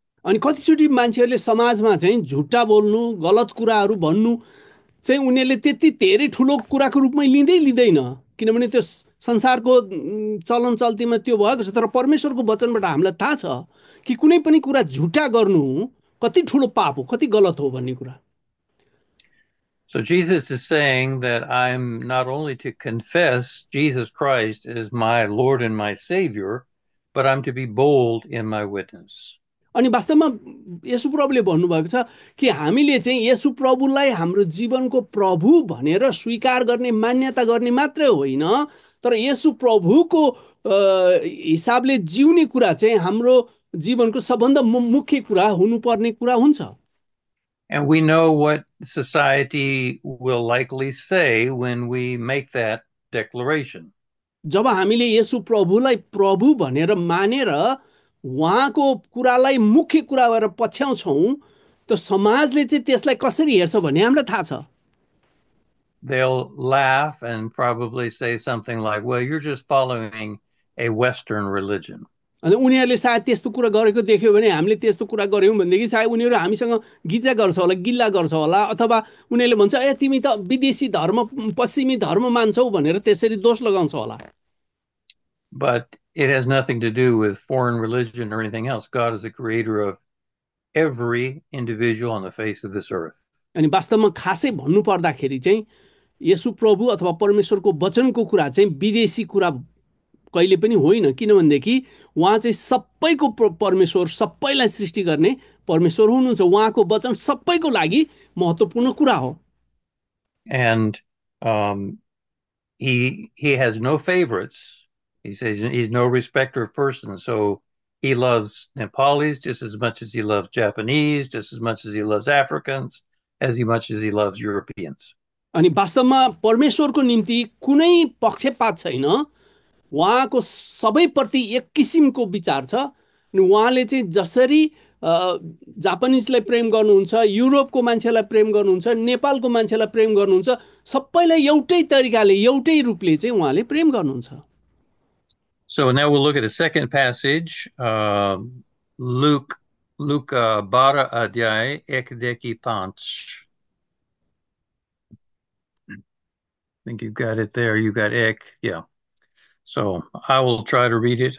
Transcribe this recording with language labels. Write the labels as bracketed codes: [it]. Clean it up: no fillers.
[ne] अनि कतिचोटि मान्छेहरूले समाजमा चाहिँ झुट्टा बोल्नु, गलत कुराहरू भन्नु चाहिँ उनीहरूले त्यति धेरै ठुलो कुराको रूपमा लिँदै लिँदैन, किनभने त्यो संसारको चलन चल्तीमा त्यो भएको छ। तर परमेश्वरको वचनबाट हामीलाई थाहा छ कि कुनै पनि कुरा झुटा गर्नु कति ठुलो पाप हो, कति गलत हो भन्ने कुरा। [en] So Jesus is saying that I'm not only to confess Jesus Christ as my Lord and my Savior, but I'm to be bold in my witness. [ne] अनि वास्तवमा येशु प्रभुले भन्नुभएको छ कि हामीले चाहिँ येशु प्रभुलाई हाम्रो जीवनको प्रभु भनेर स्वीकार गर्ने, मान्यता गर्ने मात्रै होइन, तर येशु प्रभुको हिसाबले जिउने कुरा चाहिँ हाम्रो जीवनको सबभन्दा मुख्य कुरा हुनुपर्ने कुरा हुन्छ। [en] And we know what society will likely say when we make that declaration. [ne] जब हामीले येशु प्रभुलाई प्रभु भनेर मानेर उहाँको कुरालाई मुख्य कुरा भएर पछ्याउँछौँ, त समाजले चाहिँ त्यसलाई कसरी हेर्छ भन्ने हामीलाई थाहा छ। [en] They'll laugh and probably say something like, "Well, you're just following a Western religion." [ne] अनि उनीहरूले सायद त्यस्तो कुरा गरेको देख्यो भने, हामीले त्यस्तो कुरा गर्यौँ भनेदेखि सायद उनीहरू हामीसँग गिजा गर्छ होला, गिल्ला गर्छ होला, अथवा उनीहरूले भन्छ ए तिमी त विदेशी धर्म, पश्चिमी धर्म मान्छौ भनेर त्यसरी दोष लगाउँछ होला। [en] But it has nothing to do with foreign religion or anything else. God is the creator of every individual on the face of this earth. [ne] अनि वास्तवमा खासै भन्नु पर्दाखेरि चाहिँ येशु प्रभु अथवा परमेश्वरको वचनको कुरा चाहिँ विदेशी कुरा कहिले पनि होइन, किनभनेदेखि उहाँ चाहिँ सबैको परमेश्वर, सबैलाई सृष्टि गर्ने परमेश्वर हुनुहुन्छ। उहाँको वचन सबैको लागि महत्त्वपूर्ण कुरा हो। [en] And he has no favorites. He says he's no respecter of persons, so he loves Nepalis just as much as he loves Japanese, just as much as he loves Africans, as much as he loves Europeans. [ne] अनि वास्तवमा परमेश्वरको निम्ति कुनै पक्षपात छैन, उहाँको सबैप्रति एक किसिमको विचार छ। अनि उहाँले चाहिँ जसरी जापानिजलाई प्रेम गर्नुहुन्छ, युरोपको मान्छेलाई प्रेम गर्नुहुन्छ, नेपालको मान्छेलाई प्रेम गर्नुहुन्छ, सबैलाई एउटै तरिकाले, एउटै रूपले चाहिँ उहाँले प्रेम गर्नुहुन्छ। [en] So now we'll look at a second passage, Luke 12:1-5. Think you've got it there. You got ek, yeah. So I will try to read it.